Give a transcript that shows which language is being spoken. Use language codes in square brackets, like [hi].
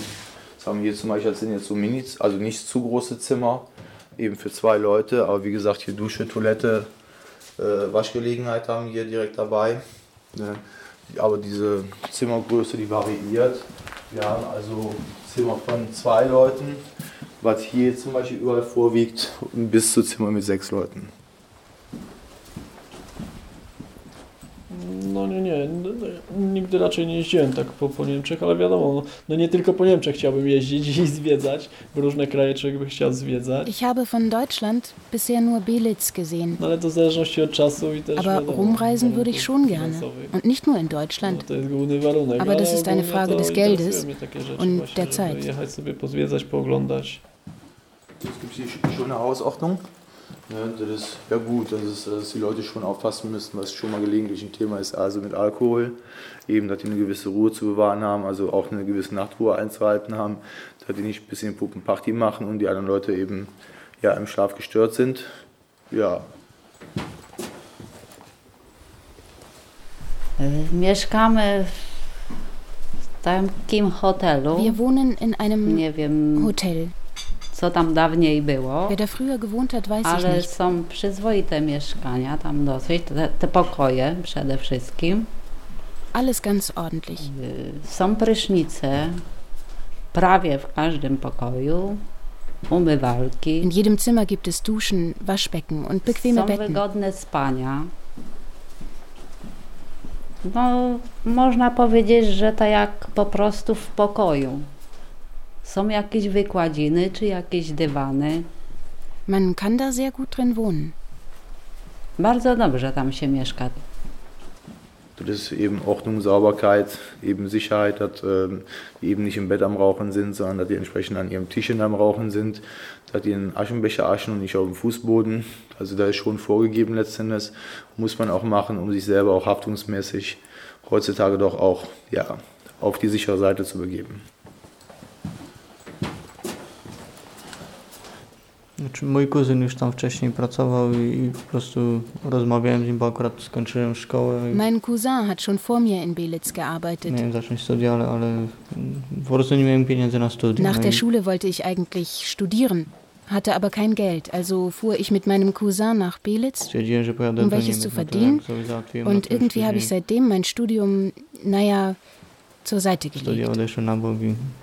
[de] Jetzt haben wir hier zum Beispiel, das sind jetzt so Mini, also nicht zu große Zimmer, eben für zwei Leute, aber wie gesagt, hier Dusche, Toilette, Waschgelegenheit haben wir hier direkt dabei. Ne? Aber diese Zimmergröße, die variiert. Wir haben also Zimmer von zwei Leuten, was hier zum Beispiel überall vorwiegt, bis zu Zimmer mit sechs Leuten. [pl] No nie, nie, nigdy raczej nie jeździłem tak po Niemczech, ale wiadomo, no nie tylko po Niemczech chciałbym jeździć i zwiedzać, w różne kraje człowiek by chciał zwiedzać. [de] Ich habe von Deutschland bisher nur Belitz gesehen. [pl] No, ale to w zależności od czasu i też [de] aber [pl] wiadomo. [de] Rumreisen würde ich schon gerne. Und nicht nur in Deutschland. [pl] No, to jest główny warunek. [de] Aber das ist eine Frage des Geldes und der Zeit. [pl] Jechać sobie pozwiedzać, pooglądać. [de] Es gibt hier schon eine Hausordnung. Ja, das ist ja gut, dass die Leute schon aufpassen müssen, was schon mal gelegentlich ein Thema ist, also mit Alkohol, eben, dass die eine gewisse Ruhe zu bewahren haben, also auch eine gewisse Nachtruhe einzuhalten haben, dass die nicht ein bisschen Puppenparty machen und die anderen Leute eben ja, im Schlaf gestört sind. Ja. Wir kamen [pl] w takim hotelu. [de] Wir wohnen in einem Hotel. [pl] Co tam dawniej było. [de] Wer da früher gewohnt hat, weiß [pl] ale [de] ich nicht. [pl] Ale są przyzwoite mieszkania tam dosyć, te pokoje przede wszystkim. [de] Alles ganz ordentlich. [pl] Są prysznice, prawie w każdym pokoju, umywalki. [de] In jedem Zimmer gibt es Duschen, Waschbecken und bequeme [pl] są [de] Betten. [pl] Są wygodne spania. No, można powiedzieć, że to jak po prostu w pokoju. Są jakieś wykładziny czy jakieś dywany. [de] Man kann da sehr gut drin wohnen. [pl] Bardzo dobrze tam się mieszka. To jest [de] eben Ordnung, Sauberkeit, eben Sicherheit, dass die eben nicht im Bett am Rauchen sind, sondern dass die entsprechend an ihrem Tisch am Rauchen sind, dass die in Aschenbecher aschen und nicht auf dem Fußboden. Also da ist schon vorgegeben letztendlich, muss man auch machen, um sich selber auch haftungsmäßig heutzutage doch auch ja, auf die sichere Seite zu begeben. [pl] Znaczy, mój kuzyn już tam wcześniej pracował i po prostu rozmawiałem z nim, bo akurat skończyłem szkołę. [de] Mein Cousin hat schon vor mir in Belitz gearbeitet. [pl] Miałem zacząć studia, ale po prostu nie miałem pieniędzy na studia. [de] Nach der Schule wollte ich eigentlich studieren, hatte aber kein Geld. Also fuhr ich mit meinem Cousin nach Belitz, um welches zu verdienen. Und irgendwie habe ich seitdem mein Studium, naja, zur Seite gelegt. [pl] Studia odeszło na bogi.